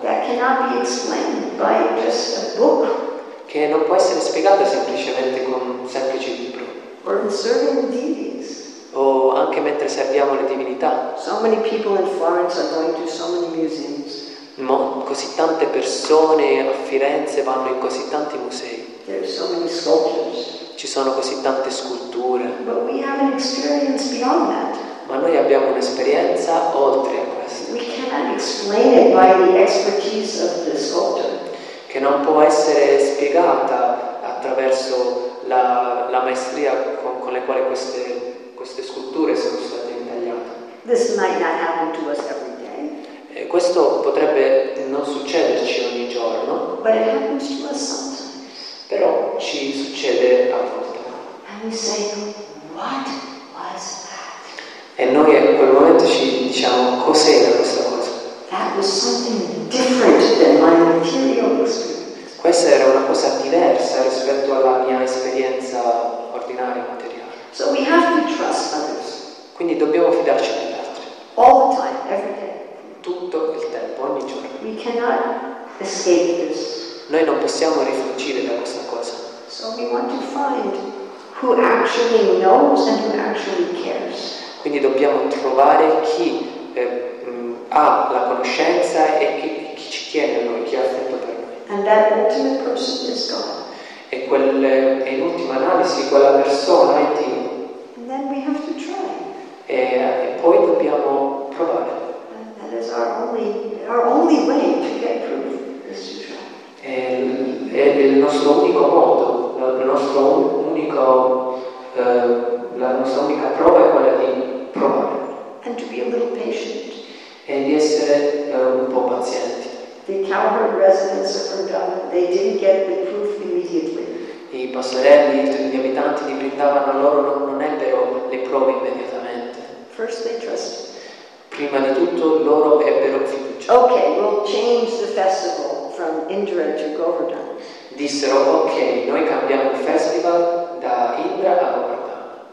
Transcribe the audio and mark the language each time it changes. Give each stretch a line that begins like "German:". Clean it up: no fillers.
English: That cannot be explained by just a book.
Italian: Che non può essere spiegata semplicemente con un semplice libro.
English: Or in certain deities.
Italian: O an- anche mentre serviamo le divinità.
English: So many people in Florence are going to so many museums.
Italian: Ma così tante persone a Firenze vanno in così tanti musei.
English: There are so many sculptures.
Italian: Ci sono così tante sculture.
English: But we have an experience beyond that.
Italian: Ma noi abbiamo un'esperienza oltre a questo.
English: We cannot explain it by the expertise of the sculptor.
Italian: Che non può essere spiegata attraverso la maestria con le quali queste sculture sono state intagliate.
English: This might not happen to us every day.
Italian: E questo potrebbe non succederci ogni giorno.
English: But it happens to us sometimes.
Italian: Però ci succede a volte.
English: And we say, what was that?
Italian: E noi in quel momento ci diciamo, cos'era questa cosa?
English: That was something different than my material experience.
Italian: Questa era una cosa diversa rispetto alla mia esperienza ordinaria materiale.
English: So we have to trust others.
Italian: Quindi dobbiamo fidarci degli altri.
English: All the time, every day.
Italian: Tutto il tempo, ogni giorno.
English: We cannot escape this.
Italian: Noi non possiamo rifuggire da questa cosa.
English: So we want to find who actually knows and who actually cares.
Italian: Quindi dobbiamo trovare chi ha la conoscenza e chi ci tiene a noi, chi ha affetto per noi.
English: And that ultimate person is God.
Italian: E in ultima analisi quella persona è Dio.
English: And then we have to try.
Italian: E poi dobbiamo provare.
English: And that is our only way to get proof is to try.
Italian: È il nostro unico modo, la nostra unica prova è quella di provare.
English: And to be a little patient.
Italian: E di essere un po' pazienti.
English: The cowherd residents of Vrindavan, they didn't get the proof immediately.
Italian: I pastorelli, gli abitanti di Vrindavan, loro non ebbero le prove immediatamente.
English: First they trusted.
Italian: Prima di tutto loro ebbero fiducia.
English: Okay, we'll change the festival. From Indra to Govardhan.
Italian: Dissero, ok, noi cambiamo il festival da Indra a Govardhan.